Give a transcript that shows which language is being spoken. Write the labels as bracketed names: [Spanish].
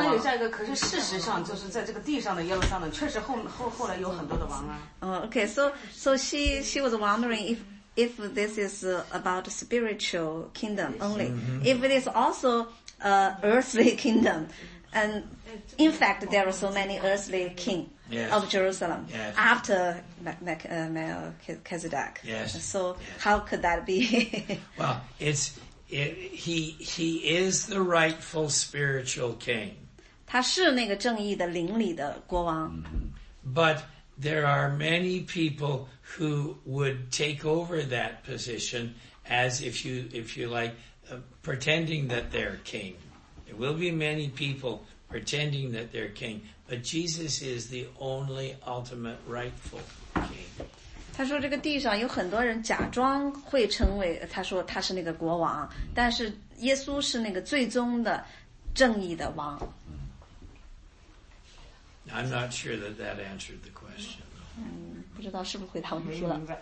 [Chinese] 不能有下一个，可是事实上就是在这个地上的耶路撒冷，确实后来有很多的王啊。 [English] Okay, so she was wondering if this is about spiritual kingdom only, if it is also an earthly kingdom, and in fact there are so many earthly king of Jerusalem after Melchizedek. Yes. So how could that be? Well, he is the rightful spiritual king. [Chinese] 他是那个正义的灵里的国王。 [English] But there are many people who would take over that position as if you like pretending that they're king. There will be many people pretending that they're king, but Jesus is the only ultimate rightful king. [Chinese] 他说这个地上有很多人假装会成为，他说他是那个国王，但是耶稣是那个最终的正义的王。 [English] I'm not sure that answered the question. [Chinese] 不知道是不是回答问题了。